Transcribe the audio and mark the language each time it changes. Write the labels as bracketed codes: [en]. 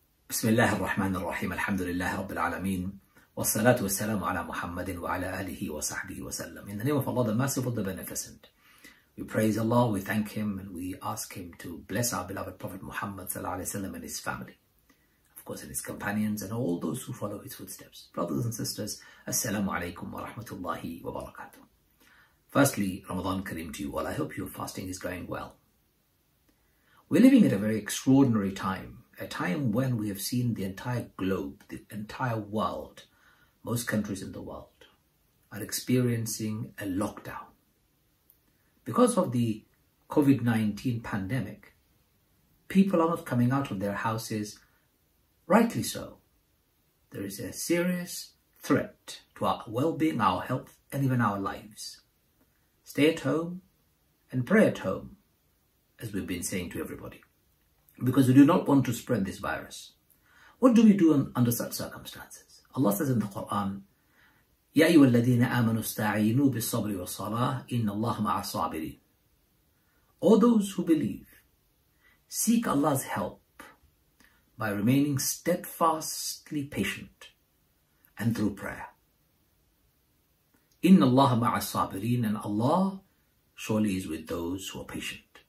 [ar] بسم الله الرحمن الرحيم، الحمد لله رب العالمين، والصلاة والسلام على محمد وعلى آله وصحبه وسلم. [en] In the name of Allah, the Merciful, the Beneficent. We praise Allah, we thank Him, and we ask Him to bless our beloved Prophet Muhammad [ar] sallallahu alaihi wasallam [en] and his family, of course, and his companions and all those who follow his footsteps. Brothers and sisters, [ar] assalamu alaikum wa rahmatullahi wa barakatuh. [en] Firstly, Ramadan Kareem to you all. I hope your fasting is going well. We're living at a very extraordinary time, a time when we have seen the entire globe, the entire world, most countries in the world are experiencing a lockdown. Because of the COVID-19 pandemic, people are not coming out of their houses. Rightly so, there is a serious threat to our well-being, our health, and even our lives. Stay at home and pray at home, as we've been saying to everybody, because we do not want to spread this virus. What do we do under such circumstances? Allah says in the Quran, [ar] يَا أَيُّهَا الَّذِينَ آمَنُوا اسْتَعِينُوا بِالصَّبْرِ وَالصَّلَاةِ إِنَّ اللَّهَ مَعَ الصَّابِرِينَ. [en] All those who believe, seek Allah's help by remaining steadfastly patient and through prayer. [ar] Inna Allah ma'a sabireen, [en] and Allah surely is with those who are patient.